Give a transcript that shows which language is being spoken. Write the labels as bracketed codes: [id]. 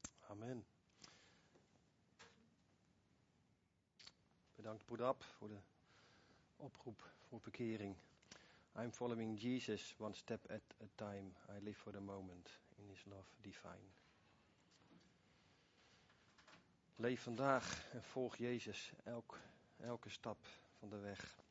[nl] Amen. Bedankt, Boedap, voor de oproep voor bekering. [en] I'm following Jesus one step at a time. I live for the moment in his love divine. [nl] Leef vandaag en volg Jezus elke stap van de weg.